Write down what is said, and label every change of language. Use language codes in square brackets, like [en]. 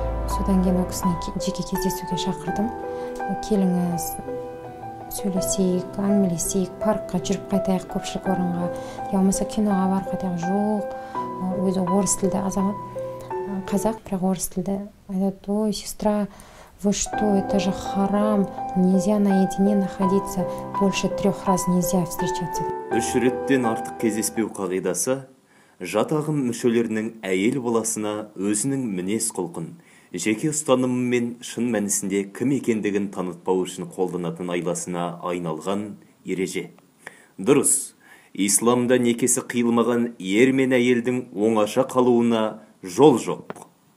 [kk] Содан кейін ол кісіні жеке кездесуге шақырдым. Келіңіз, сөйлесейік, әңгімелесейік, паркқа жүріп қайтайық, көпшілік орынға, я болмаса киноға бар қайтайық. Жоқ, өзі орыс тілді азамат, қазақ, бірақ орыс тілді. Айтады, [ru] ой сестра, вы что, это же харам, нельзя наедине находиться, больше 3 раз нельзя встречаться. [kk] Үш реттен артық кездеспеу қағидасы жатағын мүшелерінің әйел баласына өзінің мінез құлқын, жеке ұстанымымен шын мәнісінде кім екендігін танытпау үшін қолданатын айласына айналған ереже. Дұрыс, исламда некесі қиылмаған ер мен әйелдің оңаша қалуына жол жоқ.